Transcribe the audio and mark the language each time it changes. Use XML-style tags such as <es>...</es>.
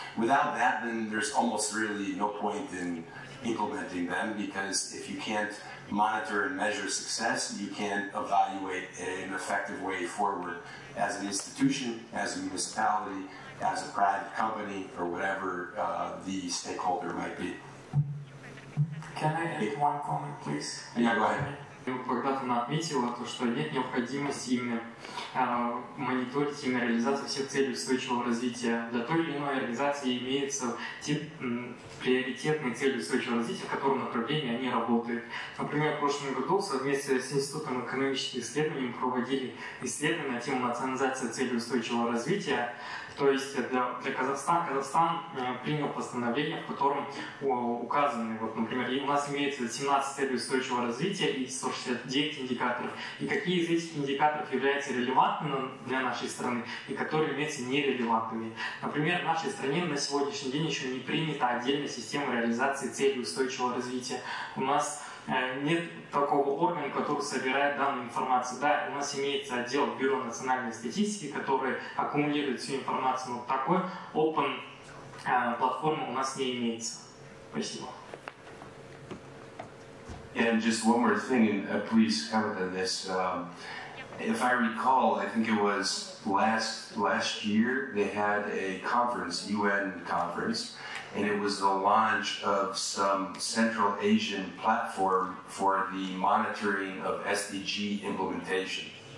<en>Without that, then there's almost really no point in implementing them, because if you can't monitor and measure success, you can't evaluate an effective way forward as an institution, as a municipality, as a private company, or whatever the stakeholder might be. Can I add one comment, please? Yeah, go ahead.</en> <ru>Благодатна отметила то, что нет необходимости именно мониторить именно реализацию всех целей устойчивого развития. Для той или иной организации имеются те приоритетные цели устойчивого развития, в котором направлении они работают. Например, в прошлом году совместно с Институтом экономических исследований мы проводили исследования на тему национализации целей устойчивого развития. То есть для Казахстана, Казахстан принял постановление, в котором указаны, вот, например, у нас имеется 17 целей устойчивого развития и 169 индикаторов. И какие из этих индикаторов являются релевантными для нашей страны и которые являются нерелевантными. Например, в нашей стране на сегодняшний день еще не принята отдельная система реализации целей устойчивого развития. У нас нет такого органа, который собирает данную информацию. Да, у нас имеется отдел Бюро национальной статистики, который аккумулирует всю информацию, но такой open платформы у нас не имеется. Спасибо.</ru> <en>And just one more thing, and please comment on this. If I recall, I think it was last year, they had a conference, UN conference, and it was the launch of some Central Asian platform for the monitoring of SDG implementation.</en>